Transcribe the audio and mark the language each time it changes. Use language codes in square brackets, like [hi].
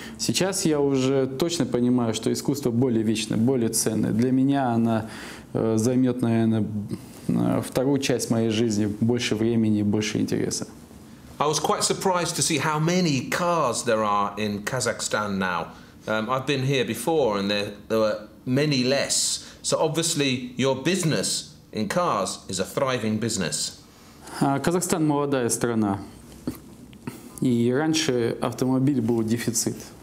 [ru] Сейчас я уже точно понимаю, что искусство более вечное, более ценное. Для меня оно займет, наверное, вторую часть моей жизни, больше времени, больше интереса. [en] I was quite surprised to see how many cars there are in Kazakhstan now. I've been here before and there were many less. So obviously your business in cars is a thriving business. [ru] Казахстан – молодая страна, и раньше автомобиль был дефицит.